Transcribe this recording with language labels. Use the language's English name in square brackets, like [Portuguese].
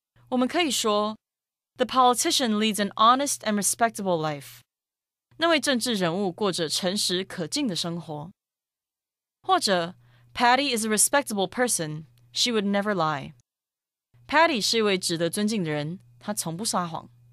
[Chinese] 我们可以说 [English] The politician leads an honest and respectable life. [Chinese] 那位政治人物过着诚实可敬的生活。或者 [English] Patty is a respectable person, she would never lie. [Chinese] Patty 是一位值得尊敬的人。他从不撒谎。